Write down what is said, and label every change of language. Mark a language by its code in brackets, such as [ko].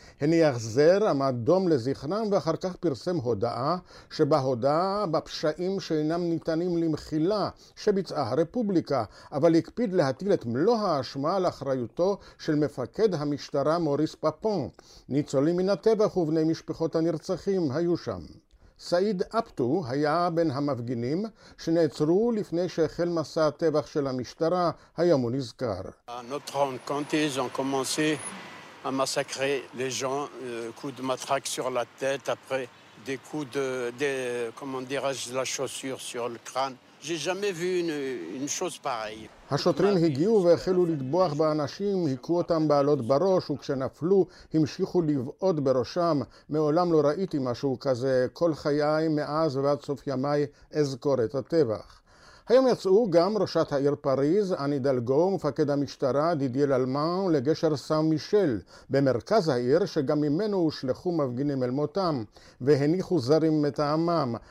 [he] הניח זר, עמד דום לזכרם ואחר כך פרסם הודעה שבה הודעה בפשעים שאינם ניתנים למחילה שביצעה הרפובליקה, אבל הקפיד להטיל את מלוא האשמה על אחריותו של מפקד המשטרה מוריס פאפון. ניצולים מן הטבח ובני משפחות הנרצחים היו שם. סעיד אפטו היה בין המפגינים שנעצרו לפני שהחל מסע הטבח של המשטרה, היום הוא נזכר. [fr] Notre rencontre, ils ont commencé à massacrer les gens, coups de matraque sur la tête, après des coups de comment dirais-je, de la chaussure sur le crâne. J'ai jamais vu une chose pareille. [he] השוטרים הגיעו והחלו לטבוח באנשים, היכו אותם בעלות בראש, וכשנפלו המשיכו לבעוד בראשם. מעולם לא ראיתי משהו כזה, כל חיי מאז ועד סוף ימי אזכור את הטבח. היום יצאו גם ראשת העיר פריז, אני דלגו, מפקד המשטרה, דידיה ללמן, לגשר סאו מישל, במרכז העיר שגם ממנו הושלכו מפגינים אל מותם, והניחו זרים מטעמם.